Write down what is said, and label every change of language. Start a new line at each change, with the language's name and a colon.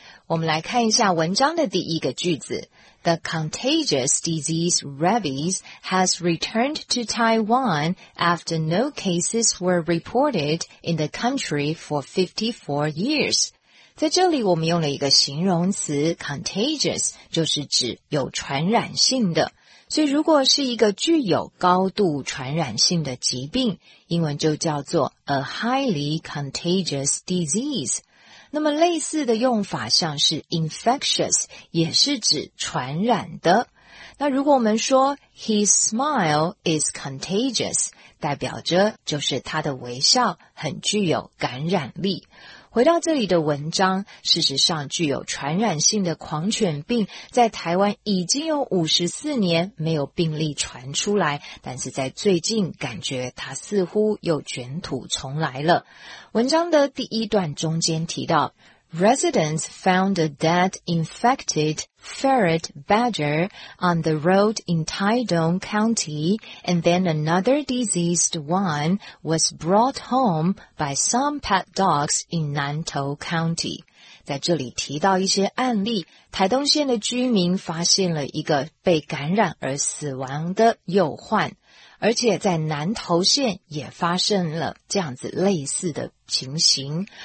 Chinese: 我们来看一下文章的第一个句子。
English: The contagious disease rabies has returned to Taiwan after no cases were reported in the country for 54 years.
Chinese: 在这里我们用了一个形容词 contagious, 就是指有传染性的。所以如果是一个具有高度传染性的疾病，英文就叫做
English: a highly contagious disease。
Chinese: 那么类似的用法像是 infectious, 也是指传染的。那如果我们说
English: his smile is contagious,
Chinese: 代表着就是他的微笑很具有感染力。回到这里的文章，事实上具有传染性的狂犬病在台湾已经有54年没有病例传出来，但是在最近感觉它似乎又卷土重来了。文章的第一段中间提到
English: Residents found a dead infected ferret badger on the road in Taidong County, and then another diseased one was brought home by some pet dogs in Nantou County.
Chinese: 在这里提到一些案例，台东县的居民发现了一个被感染而死亡的幼患，而且在南投县也发生了这样子类似的情形。